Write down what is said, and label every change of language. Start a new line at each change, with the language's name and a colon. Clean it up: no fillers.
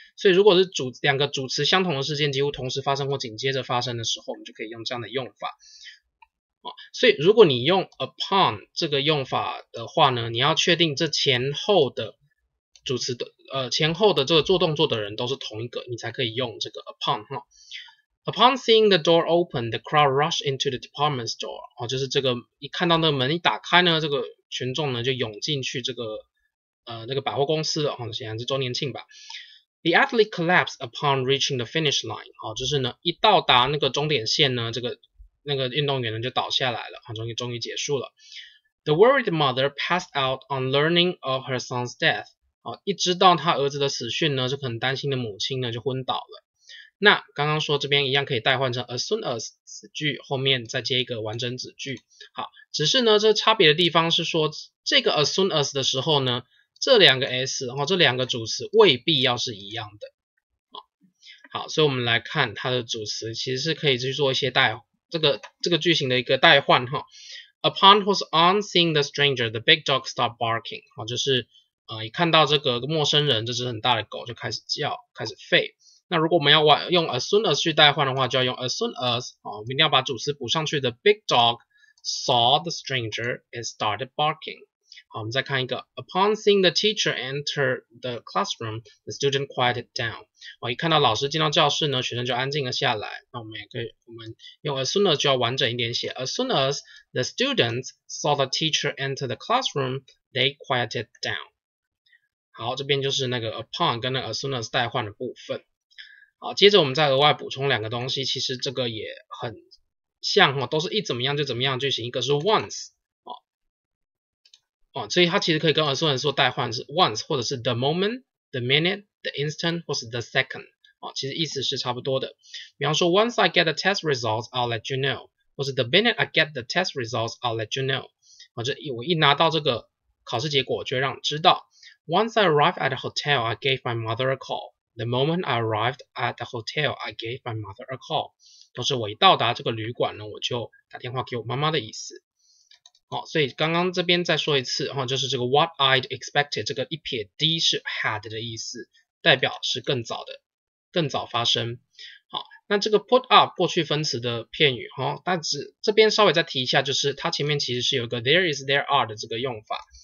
Chinese: 所以如果是两个主词相同的事件几乎同时发生或紧接着发生的时候，我们就可以用这样的用法。所以如果你用 upon 这个用法的话呢，你要确定这前后的主词的前后的这个做动作的人都是同一个，你才可以用这个 upon 哈。
English: Upon seeing the door open, the crowd rushed into the department store。
Chinese: 哦，就是这个一看到那个门一打开呢，这个群众呢就涌进去这个那个百货公司了。哦，显然是周年庆吧。
English: The athlete collapsed upon reaching the finish line。
Chinese: 哦，就是呢一到达那个终点线呢，这个那个运动员呢就倒下来了。哦，终于结束了。
English: The worried mother passed out on learning of her son's death。
Chinese: 哦，一知道她儿子的死讯呢，就很担心的母亲呢就昏倒了。那刚刚说这边一样可以代换成 as soon as 子句后面再接一个完整子句，好，只是呢这差别的地方是说这个 as soon as 的时候呢，这两个 s 然后这两个主词未必要是一样的，好，所以我们来看它的主词其实是可以去做一些代这个句型的一个代换哈。
English: Upon was on seeing the stranger, the big dog stopped barking。
Chinese: 好，就是一看到这个陌生人，这只很大的狗就开始叫，开始吠。那如果我们要用 as soon as 去代换的话，就要用 as soon as 我们一定要把主词补上去的。
English: The big dog saw the stranger and started barking。
Chinese: 好，我们再看一个，
English: upon seeing the teacher enter the classroom，the student quieted down。
Chinese: 一看到老师进到教室呢，学生就安静了下来。那我们也可以，我们用
English: as soon as
Chinese: 就要完整一点写，
English: as soon as the students saw the teacher enter the classroom，they quieted down。
Chinese: 好，这边就是那个 upon 跟那个 as soon as 代换的部分。好，接着我们再额外补充两个东西，其实这个也很像哈，都是一怎么样就怎么样句型，一个是 once，所以它其实可以跟 as soon as 做代换，是 once 或者是 the moment、the minute、the instant 或是 the second，其实意思是差不多的。比方说
English: once I get the test results, I'll let you know，
Chinese: 或是
English: the minute I get the test results, I'll let you know，
Chinese: 就我一拿到这个考试结果，就让你知道。
English: Once I arrive at the hotel, I gave my mother a call。 The moment I arrived at the hotel, I gave my mother a call。
Chinese: 都是我一到达这个旅馆呢，我就打电话给我妈妈的意思。好，所以刚刚这边再说一次，就是这个 what I'd expected，这个一撇 d 是 had 的意思，代表是更早的，更早发生。好，那这个 put up 过去分词的片语，但是这边稍微再提一下，就是它前面其实是有一个 there is there are 的这个用法。